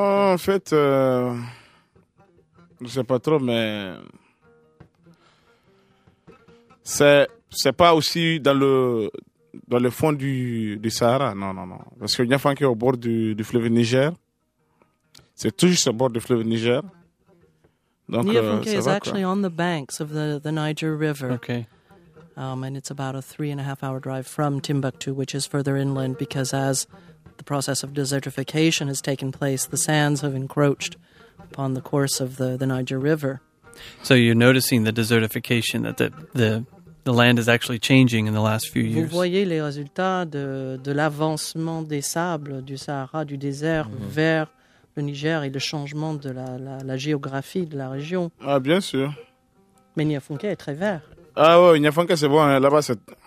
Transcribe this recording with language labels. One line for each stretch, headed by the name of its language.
French: En fait, je ne sais pas trop, mais c'est pas aussi dans le fond du Sahara. Non. Parce que Nia Funke est au bord du fleuve Niger. C'est tout juste au bord du fleuve Niger.
English: Donc, Nia Funke is actually on the banks of the Niger River. Okay. And it's about a 3.5-hour drive from Timbuktu, which is further inland, because as the process of desertification has taken place, the sands have encroached upon the course of the Niger River. So you're noticing the desertification, that the land is actually changing in the last few years.
French: Vous voyez les résultats de l'avancement des sables du Sahara, du désert, mm-hmm. vers le Niger et le changement de la géographie de la région. Ah, bien sûr. Mais Nia Funke est très vert. Ah oui, Nia Funke, c'est bon, là-bas, c'est...